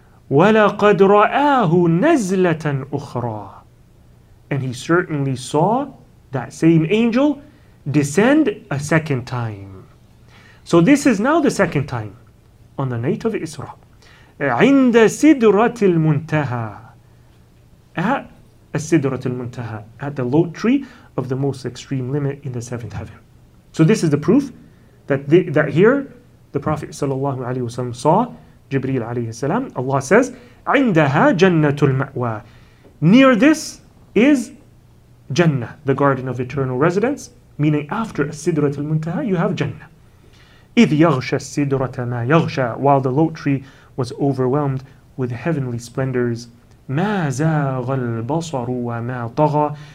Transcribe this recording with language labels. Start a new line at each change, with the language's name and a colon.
Arabic: وَلَقَدْ رَآهُ نَزْلَةً أُخْرَى.
English: And he certainly saw that same angel descend a second time. So this is now the second time on the night of Isra.
Arabic: عِنْدَ سِدْرَةِ الْمُنْتَهَى. At السِدْرَةِ الْمُنْتَهَى.
English: At the low tree of the most extreme limit in the seventh heaven. So this is the proof that here the Prophet ﷺ saw Jibreel alayhi salam. Allah says,
Arabic: عندها جنة المأوى.
English: Near this is Jannah, the garden of eternal residence, meaning after السِدْرَةِ الْمُنْتَهَى, you have Jannah.
Arabic: إِذْ يَغْشَ السِدْرَةَ مَا يَغْشَى.
English: While the low tree was overwhelmed with heavenly splendors,
Arabic: مَا زَاغَ الْبَصَرُ وَمَا طَغَى.